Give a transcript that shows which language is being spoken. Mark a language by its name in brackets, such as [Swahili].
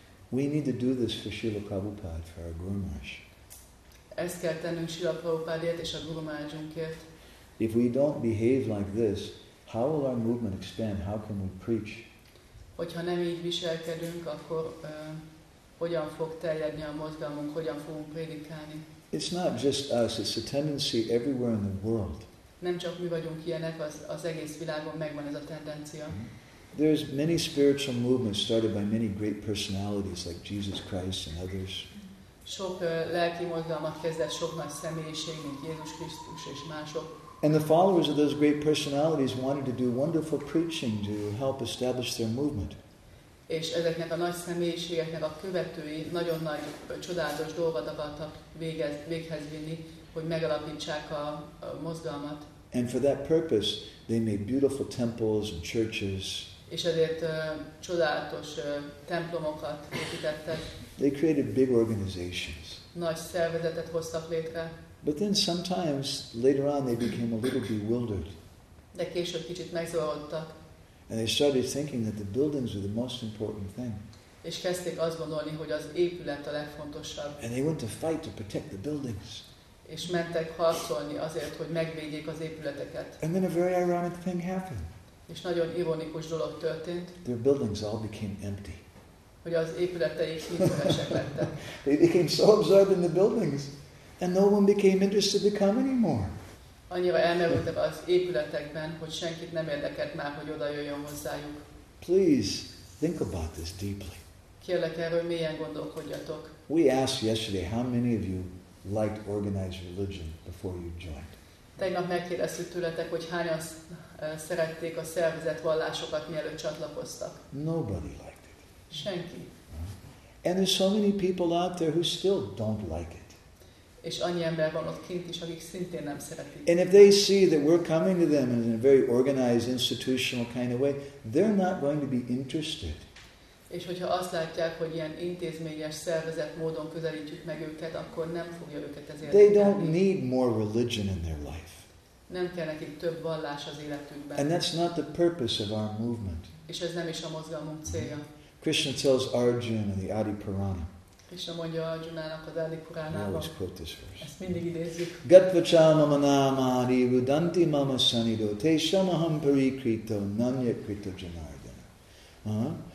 [English] We need to do this for Srila Prabhupada, for our Guru Maharaj. [Hungarian] Ezt kell tennünk Srila Prabhupádért és a Guru Maharajunkért. [English] If we don't behave like this, how will our movement expand? How can we preach? [Hungarian] Hogyha nem így viselkedünk, akkor hogyan fog terjedni a mozgalmunk, hogyan fogunk prédikálni? [English] It's not just us, it's a tendency everywhere in the world. [Hungarian] Nem csak mi vagyunk ilyenek, az egész világon megvan ez a tendencia. Mm-hmm. [English] There's many spiritual movements started by many great personalities like Jesus Christ and others. [Hungarian] Sok lelki mozgalmat kezdett sok nagy személyiség, mint Jézus Krisztus és mások. [English] And the followers of those great personalities wanted to do wonderful preaching to help establish their movement. [Hungarian] És ezeknek a nagy személyiségeknek a követői nagyon nagy csodálatos dolgot akartak véghez vinni, hogy megalapítsák a mozgalmat. [English] And for that purpose, they made beautiful temples and churches. [Hungarian] És ezért csodálatos templomokat építettek. [English] They created big organizations. [Hungarian] Nagy szervezetet hoztak létre. [English] But then sometimes, later on, they became a little bewildered. [Hungarian] De később kicsit megzavarodtak. [English] And they started thinking that the buildings were the most important thing. [Hungarian] És kezdték azt gondolni, hogy az épület a legfontosabb. [English] And they went to fight to protect the buildings. [Hungarian] És mentek harcolni azért, hogy megvédjék az épületeket. [English] And then a very ironic thing happened. [Hungarian] És nagyon ironikus dolog történt. [English] Their buildings all became empty. [Hungarian] Hogy az épületeik hűtőesek lettek. [English] They became so absorbed in the buildings. And no one became interested to come anymore. [Hungarian] Annyira elmerültek az épületekben, hogy senkit nem érdekelt már, hogy oda jöjjön hozzájuk. [English] Please think about this deeply. [Hungarian] Kérlek, erről mélyen gondolkodjatok. [English] We asked yesterday how many of you liked organized religion before you joined. [Hungarian] Tegnap megkérdeztük tőletek, hogy hányan szerették a szervezett vallásokat, mielőtt csatlakoztak. [English] Nobody liked it. [Hungarian] Senki. [English] And there's so many people out there who still don't like it. [Hungarian] És annyi ember van ott kint is, akik szintén nem szeretik. [English] And if they see that we're coming to them in a very organized, institutional kind of way, they're not going to be interested. [Hungarian] És hogyha azt látják, hogy ilyen intézményes, szervezett módon közelítjük meg őket, akkor nem fogja őket ez érdekelni. [English] They don't need more religion in their life. [Hungarian] Nem kell nekik több vallás az életükben. [English] And that's not the purpose of our movement. [Hungarian] És ez nem is a mozgalmunk célja. [English] Krishna tells Arjuna in the Adi Purana. [Hungarian] Krishna mondja Arjunának az Adi Puránában. [English] I always quote this verse. [Hungarian] Ezt mindig idézzük. [Sanskrit] Gatvacha mama nama arivudanti mama sanido tesham aham parikrito nanya krito janardana.